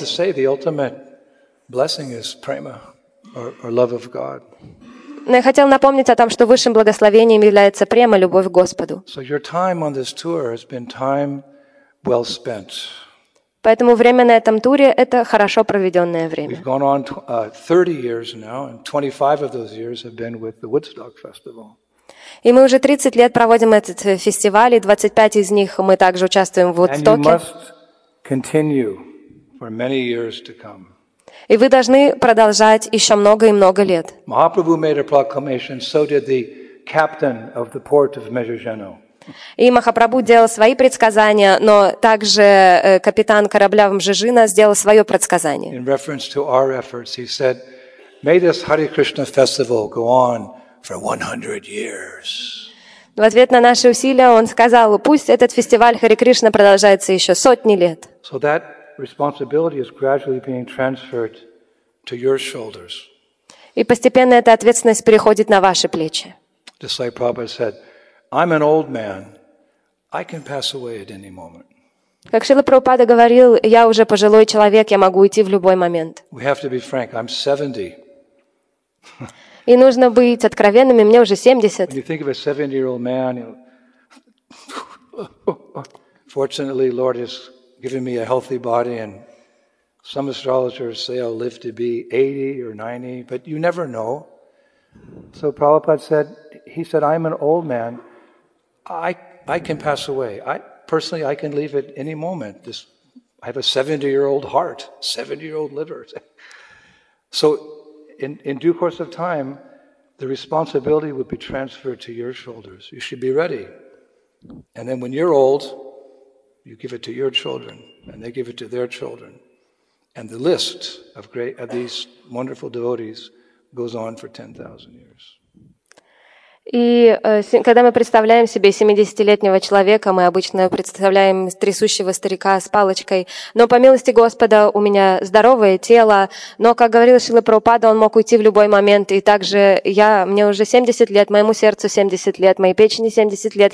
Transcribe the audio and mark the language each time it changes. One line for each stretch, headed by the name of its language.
English: But I wanted to say the ultimate blessing is prema, or love of God.
Russian: Но я хотел напомнить о том, что высшим благословением является према, любовь к Господу.
English: So your time on this tour has been time well spent.
Russian: Поэтому время на этом туре – это хорошо проведенное время.
English: We've gone on 30 years now, and 25 of those years have been with the Woodstock Festival.
Russian: И мы уже 30 лет проводим этот фестиваль, и 25 из них мы также участвуем в Вудстоке. И вы должны продолжать еще много и много лет.
English: Махапрабху made a proclamation, so did the captain of the port of Mezhezheno.
Russian: И Махапрабху делал свои предсказания, но также капитан корабля в Мжежино сделал свое предсказание.
English: In reference to our efforts, he said, may this Hare Krishna festival go on for 100 years.
Russian: В ответ на наши усилия он сказал: "Пусть этот фестиваль Хари Кришна продолжается ещё сотни лет".
English: So that responsibility is gradually being transferred to your shoulders.
Russian: И постепенно эта ответственность переходит на ваши плечи.
English: Disciple Prabhupada said, "I'm an old man. I can pass away at any moment."
Russian: Как Шрила Прабхупада говорил: "Я уже пожилой человек, я могу уйти в любой момент".
English: We have to be frank. I'm 70.
Russian: И нужно быть откровенными, мне уже 70.
English: When you think of a 70-year-old man, you know, fortunately, Lord has given me a healthy body, and some astrologers say I'll live to be 80 or 90, but you never know. So Prabhupada said, he said, I'm an old man. I can pass away. I personally can leave at any moment. I have a 70-year-old heart, 70-year-old liver. So in due course of time, the responsibility would be transferred to your shoulders. You should be ready. And then when you're old, you give it to your children, and they give it to their children. And the list of these wonderful devotees goes on for 10,000 years.
Russian: И когда мы представляем себе 70-летнего человека, мы обычно представляем трясущего старика с палочкой. Но по милости Господа у меня здоровое тело. Но, как говорил Шрила Прабхупада, он мог уйти в любой момент. И также мне уже 70 лет, моему сердцу 70 лет, моей печени 70 лет.